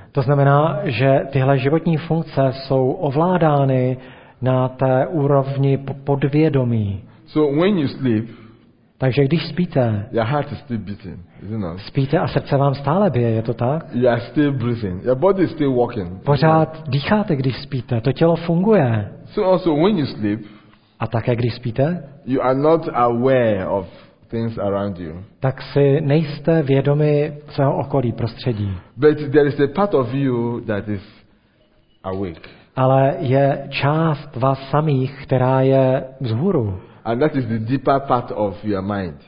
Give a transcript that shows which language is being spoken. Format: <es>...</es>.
<cs>To znamená, že tyhle životní funkce jsou ovládány na té úrovni podvědomí.</cs> <en>So when you sleep,</en> <cs>takže když spíte,</cs> <en>your heart is still beating, isn't it?</en> <cs>Spíte a srdce vám stále bije, je to tak?</cs> <en>You are still breathing. Your body is still walking.</en> <cs>Pořád dýcháte, když spíte, to tělo funguje.</cs> <en>So also when you sleep,</en> <cs>a také když spíte,</cs> <en>you are not aware of things around you.</en> <cs>Tak si nejste vědomi svého okolí, prostředí.</cs> <en>But there is a part of you that is awake.</en> <cs>Ale je část vás samých, která je vzhůru.</cs> <en>And that is the deeper part of your mind.</en>